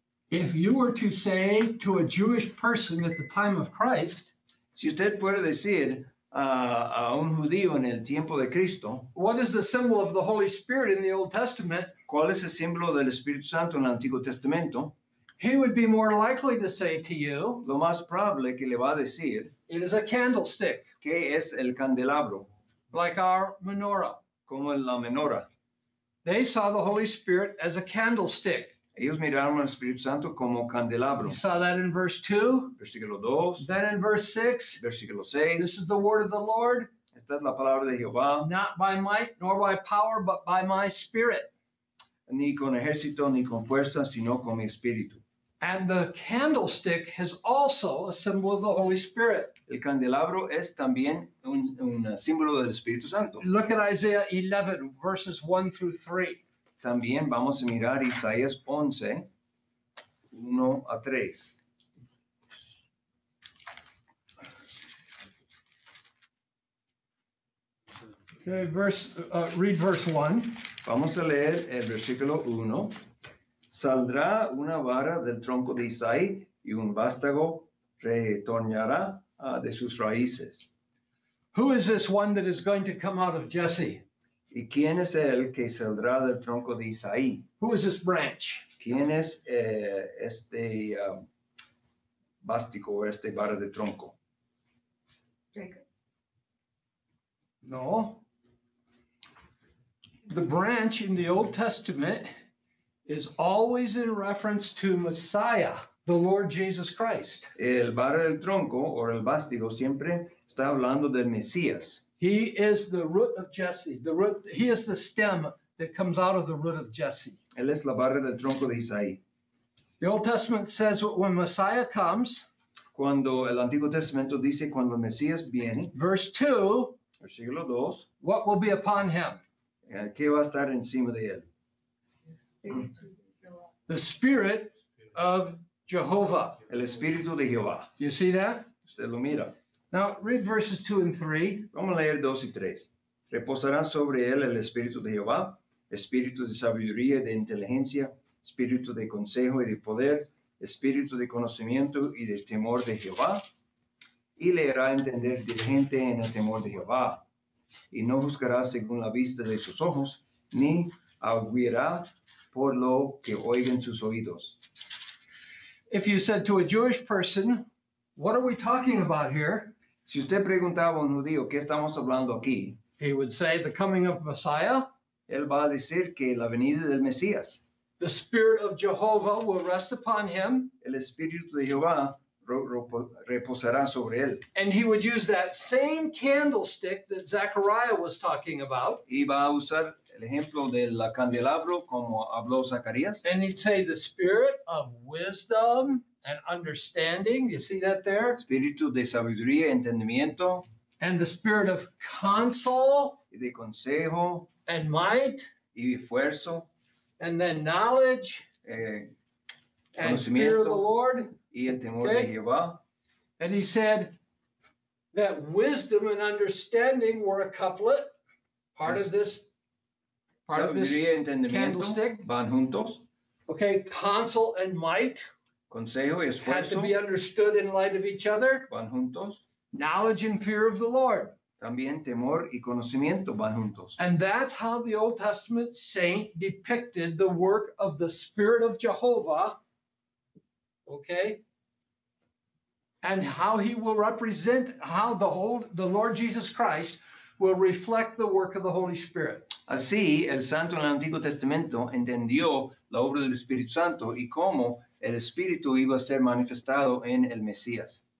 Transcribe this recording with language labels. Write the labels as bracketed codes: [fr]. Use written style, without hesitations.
[en] If you were to say to a Jewish person at the time of Christ, [es] si usted fuera decir a un judío en el tiempo de Cristo, [en] what is the symbol of the Holy Spirit in the Old Testament? [es] ¿Cuál es el símbolo del Espíritu Santo en el Antiguo Testamento? [en] He would be more likely to say to you, [es] lo más probable que le va a decir, [en] it is a candlestick. [es] ¿Qué es el candelabro? [en] Like our menorah. [es] Como la menorah. [en] They saw the Holy Spirit as a candlestick. [es] Ellos miraron al Espíritu Santo como candelabro. [en] You saw that in verse 2. [es] Versículo 2. [en] Then in verse 6. [es] Versículo 6. [en] This is the word of the Lord. [es] Esta es la palabra de Jehová. [en] Not by might nor by power, but by my spirit. [es] Ni con ejército, ni con fuerza, sino con mi espíritu. [en] And the candlestick is also a symbol of the Holy Spirit. [es] El candelabro es también un símbolo del Espíritu Santo. [en] Look at Isaiah 11, verses 1 through 3. [es] También vamos a mirar Isaías 11, 1 a 3. [en] Okay, read verse 1. [es] Vamos a leer el versículo 1. Saldrá una vara del tronco de Isaí y un vástago retoñará de sus raíces. [en] Who is this one that is going to come out of Jesse? [es] ¿Y quién es el que saldrá del tronco de Isaí? [en] Who is this branch? [es] ¿Quién es este vástico o este vara de tronco? [en] Jacob. No. The branch in the Old Testament is always in reference to Messiah, the Lord Jesus Christ. [es] El vara del tronco o el vástigo siempre está hablando del Mesías. [en] He is the root of Jesse. The root. He is the stem that comes out of the root of Jesse. [es] Él es la barra del tronco de Isaí. [en] The Old Testament says when Messiah comes. [es] Cuando el Antiguo Testamento dice cuando el Mesías viene. [en] Verse 2. [es] Versículo 2. [en] What will be upon him? [es] ¿Qué va a estar encima de él? [en] The Spirit of Jehovah. [es] El Espíritu de Jehová. [en] Do you see that? [es] Usted lo mira. [en] Now, read verses 2 and 3. [es] Vamos a leer 2 y 3. Reposará sobre él el Espíritu de Jehová, Espíritu de sabiduría y de inteligencia, Espíritu de consejo y de poder, Espíritu de conocimiento y de temor de Jehová, y le hará entender diligente en el temor de Jehová, y no juzgará según la vista de sus ojos, ni augurará por lo que oigan sus oídos. [en] If you said to a Jewish person, what are we talking about here? [es] Si usted preguntaba a un judío, ¿qué estamos hablando aquí? [en] He would say the coming of Messiah. [es] Él va a decir que la venida del Mesías. [en] The Spirit of Jehovah will rest upon him. [es] El Espíritu de Jehová reposará sobre él. [en] And he would use that same candlestick that Zechariah was talking about. [es] Y va a usar el ejemplo del candelabro como habló Zacarías. [en] And he'd say the Spirit of wisdom and understanding. You see that there? [es] Espíritu de sabiduría, entendimiento. [en] And the Spirit of counsel. [es] Y de consejo. [en] And might. [es] Y esfuerzo. [en] And then knowledge. And fear of the Lord. [es] Y el temor okay. de Jehová. [en] And he said that wisdom and understanding were a couplet, part es, of this, part of this candlestick. [es] Van juntos. [en] Okay, counsel and might. [es] Consejo y esfuerzo. [en] Had to be understood in light of each other. [es] Van juntos. [en] Knowledge and fear of the Lord. [es] También temor y conocimiento van juntos. [en] And that's how the Old Testament saint depicted the work of the Spirit of Jehovah. Okay. And how he will represent, how the Lord Jesus Christ will reflect the work of the Holy Spirit. [es] Así, el santo en el Antiguo Testamento entendió la obra del Espíritu Santo y cómo el Espíritu iba a ser manifestado en el Mesías.